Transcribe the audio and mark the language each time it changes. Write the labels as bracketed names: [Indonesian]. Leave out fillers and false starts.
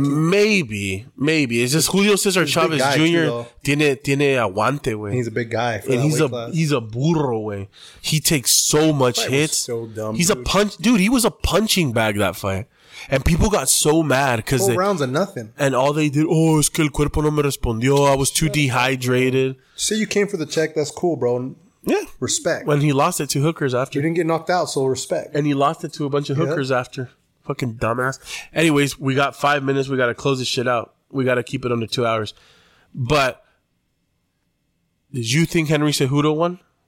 [English] maybe. It's just Julio Cesar Chavez Jr. [Spanish] tiene aguante, güey. [English] He's a big guy. He's a burro, güey. He takes so much hits. So dumb, he's dude. A punch. Dude, he was a punching bag that fight. And people got so mad because four rounds of nothing. And all they did, oh, [Spanish] es que el cuerpo no me respondió. [English] I was too dehydrated. Say you came for the check. That's cool, bro. Yeah. Respect. When he lost it to hookers after. You didn't get knocked out, so respect. And he lost it to a bunch of hookers after. Fucking dumbass. Anyways, we got 5 minutes. We got to close this shit out. We got to keep it under 2 hours. But did you think Henry Cejudo won?